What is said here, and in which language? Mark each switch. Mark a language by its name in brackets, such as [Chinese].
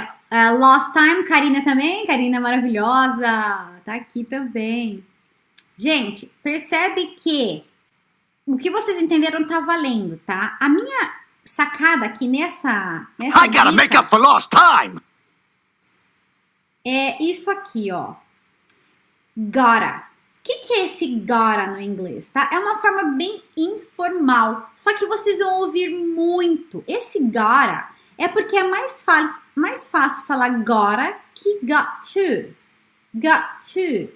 [English] Last time, [Portuguese] Karina também. Karina maravilhosa. Tá aqui também. Gente, percebe que o que vocês entenderam tá valendo, tá? A minha sacada aqui nessa [English] I gotta make up for lost time. [Portuguese] É isso aqui, ó. Gotta. O que, que é esse gotta no inglês, tá? É uma forma bem informal. Só que vocês vão ouvir muito. Esse gotta é porque é mais fácil falar gotta que got to. Got to.